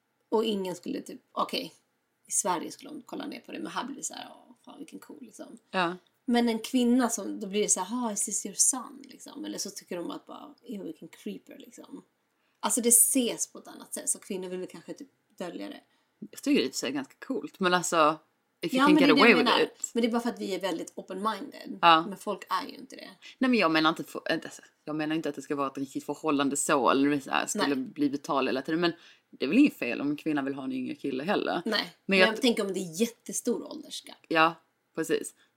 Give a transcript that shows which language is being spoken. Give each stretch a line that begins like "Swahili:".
Swedish: Och ingen skulle typ, okej, i Sverige skulle de kolla ner på det, men här blir det så här, åh, fan, vilken cool liksom. Ja. Men en kvinna, som då blir det så här,
English: is this your son?
Swedish: Liksom. Eller så tycker de att bara, ew, vilken creeper liksom. Alltså det ses på ett annat sätt. Så kvinnor vill kanske typ dölja det. Jag tycker det är ganska coolt. Men alltså,
English: if you can get away with it.
Swedish: Men det är bara för att vi är väldigt open-minded. Ja. Men folk är ju inte det. Nej, men jag menar inte att det ska vara ett riktigt förhållande så. Eller så här, skulle Nej. Bli betal eller till det. Men det är väl inget fel om en kvinna vill ha en yngre kille heller. Nej, men jag tänker om det är jättestor åldersgap. Ja, precis.